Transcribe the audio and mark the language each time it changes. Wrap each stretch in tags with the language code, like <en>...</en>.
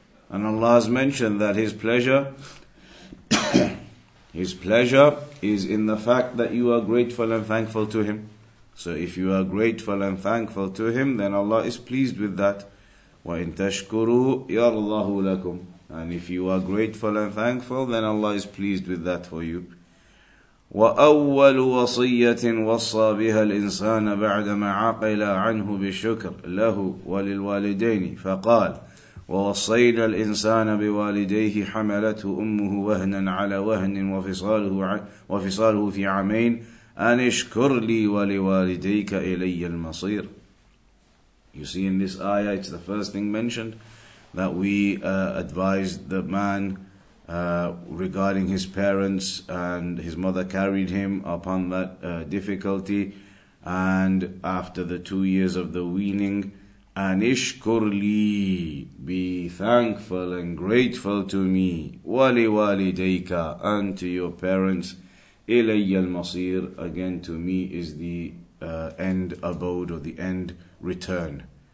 <en>And Allah has mentioned that His pleasure His pleasure is in the fact that you are grateful and thankful to Him. So if you are grateful and thankful to Him, then Allah is pleased with that.</en> <ar>وَإِن تَشْكُرُوا يَرْضَهُ لَكُمْ.</ar> <en>And if you are grateful and thankful, then Allah is pleased with that for you.</en> <ar>وَأَوَّلُ وَصِيَّةٍ وَصَّى بِهَا الْإِنسَانَ بَعْدَ مَعَقِلَ عَنْهُ بِشُكْرٍ لَهُ وَلِلْوَالِدَيْنِ فَقَالَ ووصينا الإنسان بوالديه حملته أمه وهنا على وهن وفصاله في عامين أن اشكر لي ولوالديك إلي المصير.</ar> <en>You see in this ayah, it's the first thing mentioned, that we advised the man regarding his parents, and his mother carried him upon that difficulty, and after the 2 years of the weaning, and</en> <ar>ishkur li,</ar> <en>be thankful and grateful to me,</en> <ar>wali walidayka,</ar> <en>and to your parents,</en> <ar>ilayya al-masir,</ar> <en>again to me is the end abode or the end return.</en>